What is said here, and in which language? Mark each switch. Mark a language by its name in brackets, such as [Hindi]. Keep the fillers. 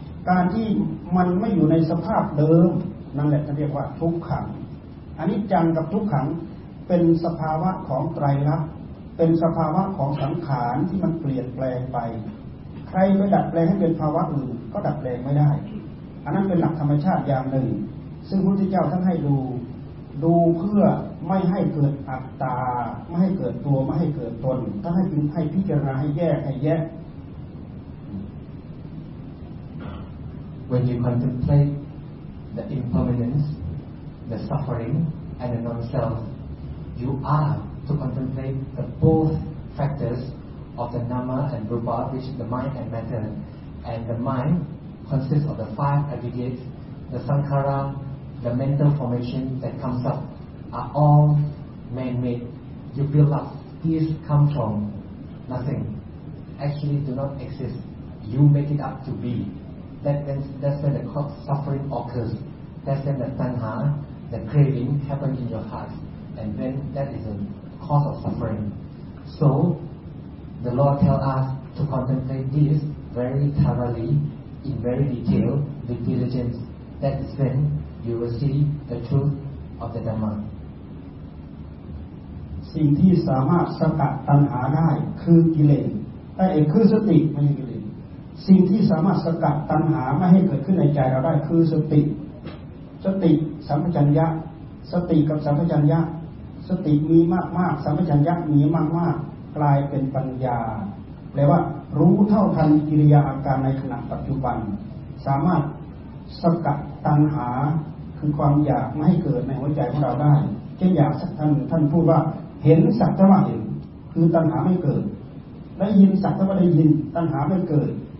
[Thai] การที่มันไม่อยู่ในสภาพเดิม นั่นแหละท่านเรียกว่าทุกขังอนิจจังกับทุกขังเป็นสภาวะของไตรลักษณ์เป็นสภาวะของสังขารที่มันเปลี่ยนแปลงไป ใครไปดัดแปลงให้เป็นภาวะอื่นก็ดัดแปลงไม่ได้ อันนั้นเป็นหลักธรรมชาติอย่างหนึ่ง ซึ่งพระพุทธเจ้าท่านให้ดู ดูเพื่อไม่ให้เกิดอัตตา ไม่ให้เกิดตัว ไม่ให้เกิดตนท่านให้พิให้พิจารณาให้แยกให้แยะ [English] When you contemplate the impermanence, the suffering, and the non-self, you are to contemplate the both factors of the nama and rupa, which is the mind and matter. And the mind consists of the five aggregates, the sankhara, the mental formation that comes up, are all man-made. You build up. These come from nothing. Actually, do not exist. You make it up to be. That, that's, that's where the cause suffering occurs. That's when the tanha, the craving, happens in your heart. And then that is the cause of suffering. So, the Lord tells us to contemplate this very thoroughly, in very detail, with diligence. That is when you will see the truth of the Dhamma. [Thai] สิ่งที่สามารถสกัดตัณหาได้คือกิเลสไอ้ไอ้คือสติไม่ใช่กิเลสสิ่งที่สามารถสกัดตัณหาไม่ให้เกิดขึ้นในใจเราได้คือสติ สติสัมปชัญญะ สติกับสัมปชัญญะ สติมีมากๆสัมปชัญญะมีมากๆ กลายเป็นปัญญา แปลว่ารู้เท่าทันกิริยาอาการในขณะปัจจุบัน สามารถสกัดตัณหาคือความอยากไม่ให้เกิดในหัวใจของเราได้ เช่นอยากสักท่านท่านพูดว่าเห็นสักแต่ว่าเห็น คือตัณหาไม่เกิด ได้ยินสักแต่ว่าได้ยิน ตัณหาไม่เกิด